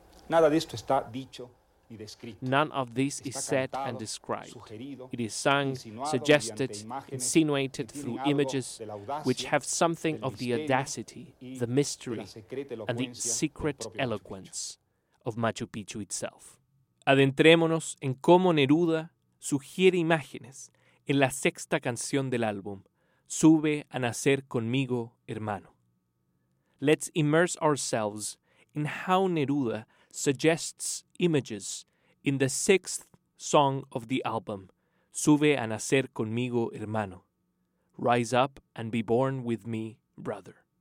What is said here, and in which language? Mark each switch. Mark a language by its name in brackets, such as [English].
[English] None of this is said and described. It is sung, suggested, insinuated through images which have something of the audacity, the mystery, and the secret eloquence of Machu Picchu itself. [Spanish] Adentrémonos en cómo Neruda sugiere imágenes en la sexta canción del álbum, Sube a nacer conmigo, hermano. [English] Let's immerse ourselves in how Neruda suggests images in the sixth song of the album, Sube a nacer conmigo, hermano. Rise up and be born with me, brother.